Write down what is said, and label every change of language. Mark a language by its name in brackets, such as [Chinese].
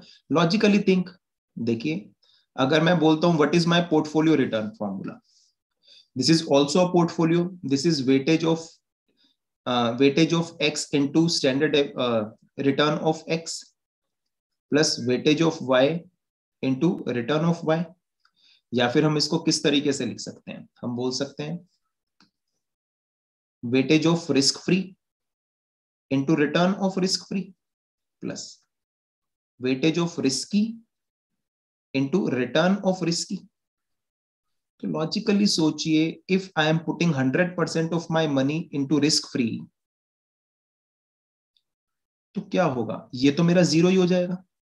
[English] Logically think, [Hindi] देखिए, अगर मैं बोलता हूँ, [English] what is my portfolio return formula? This is also a portfolio. This is weightage of x into standard return of x plus weightage of y into return of y. [Hindi] या फिर हम इसको किस तरीके से लिख सकते हैं? हम बोल सकते हैं, [English] weightage of risk free into return of risk free plus weightage of risky into return of risky. So logically sochiye, if I am putting 100% of my money into risk free [Hindi] to kya hoga, ye to mera zero hi ho jayega.